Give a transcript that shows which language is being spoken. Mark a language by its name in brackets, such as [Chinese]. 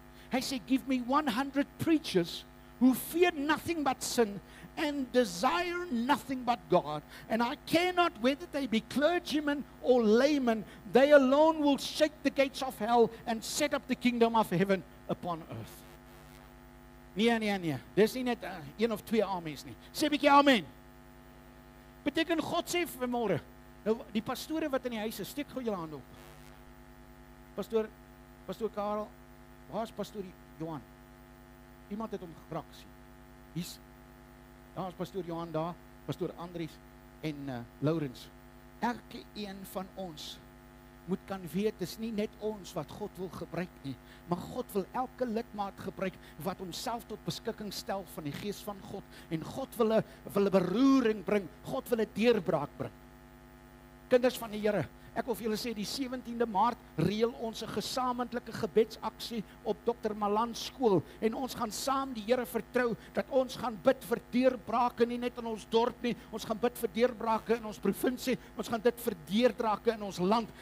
[Afrikaans] Hy sê, [English] give me 100 preachers who fear nothing but sin and desire nothing but God, and I care not whether they be clergymen or laymen, they alone will shake the gates of hell and set up the kingdom of heaven upon earth. [Afrikaans] Nee, dis nie net een of twee amens nie. Sê bietjie amen. Beteken God sê vanmôre, nou die pastore wat in die huis is, steek gou julle hand op. Pastoor Karel, waar is pastoor Johan? Iemand het hom geraak sien. Hier's daar is pastoor Johan daar, pastoor Andries en Laurens. Elke een van ons moet kan weet, dis nie net ons wat God wil gebruik nie, maar God wil elke lidmaat gebruik wat homself tot beskikking stel van die Gees van God. En God wil 'n beroering bring, God wil 'n deurbraak bring. Kinders van die Here, ek wil vir julle sê, die 17de Maart reël ons 'n gesamentlike gebedsaksie op Dr. Malan skool en ons gaan saam die Here vertrou dat ons gaan bid vir deurbrake, nie net in ons dorp nie, ons gaan bid vir deurbrake in ons provinsie, ons gaan dit vir deurbrake in ons land.